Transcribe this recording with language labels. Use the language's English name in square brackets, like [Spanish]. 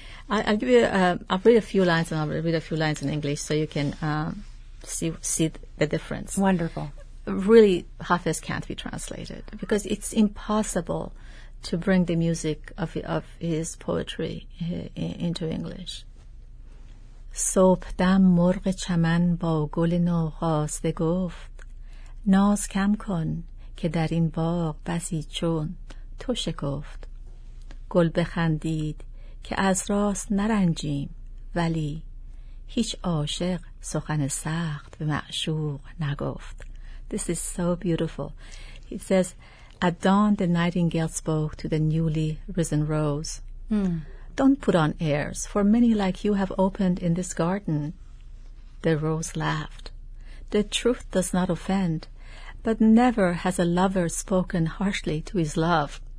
[English] I'll read a few lines, and I'll read a few lines in English so you can see the difference. Wonderful. Really, Hafiz can't be translated because it's impossible to bring the music of his poetry into English. [Persian] صبحدم مرغ چمن با گل نوخاسته گفت ناز کم کن که در این باغ بسی چون تو شکفت گل بخندید که از راست نرنجیم ولی هیچ عاشق سخن سخت به معشوق نگفت. [English] This is so beautiful. He says, at dawn the nightingale spoke to the newly risen rose. Don't put on airs, for many like you have opened in this garden. The rose laughed. The truth does not offend, but never has a lover spoken harshly to his love.